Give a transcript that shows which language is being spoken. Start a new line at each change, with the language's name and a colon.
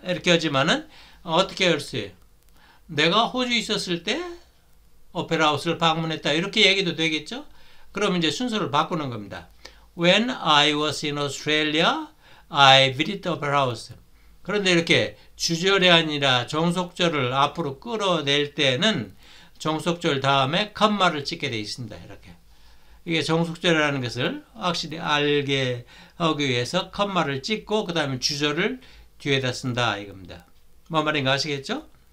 Korean: 이렇게 하지만은 어떻게 할 수 내가 호주에 있었을 때 오페라 하우스를 방문했다. 이렇게 얘기도 되겠죠? 그럼 이제 순서를 바꾸는 겁니다.
English: When I was in Australia, I visited the opera house.
Korean: 그런데 이렇게 주절이 아니라 종속절을 앞으로 끌어낼 때는 종속절 다음에 컴마를 찍게 되어 있습니다. 이렇게. 이게 종속절이라는 것을 확실히 알게 하기 위해서 컴마를 찍고 그 다음에 주절을 뒤에다 쓴다 이겁니다. 뭔 말인가 아시겠죠?